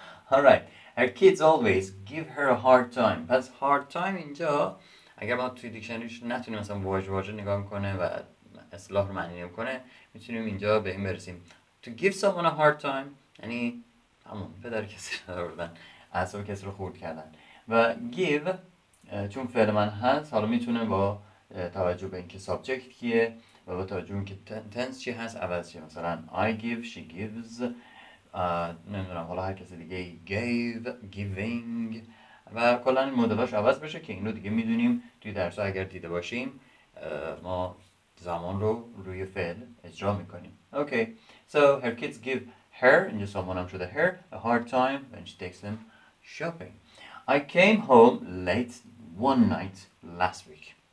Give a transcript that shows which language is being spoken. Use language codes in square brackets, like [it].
[en] Alright, her kids always give her a hard time. [fa] پس hard time اینجا اگر ما توی دیکشنریش نتونیم مثلا واژه واژه نگاه کنه و اصطلاح رو معنی کنه، میتونیم اینجا به این برسیم. [en] To give someone a hard time [fa] یعنی همون پدر کسی رو آوردن، اعصاب کسی رو خورد کردن. و give چون فعل من هست، حالا میتونه با توجه به اینکه سابجکت کیه و با توجه به اینکه تنس چی هست عوض شه. مثلا [en] I give، she gives، [fa] نمیدونم حالا هر کسی دیگه، [en] gave، giving، [fa] و کلا این مدلاش عوض بشه که اینو دیگه میدونیم توی درس اگر دیده باشیم ما زمان رو روی فعل اجرا میکنیم. [en] Okay, so her kids give her، [fa] اینجا سامان هم شده [en] her، a hard time when she takes them shopping. I came home late one night last week.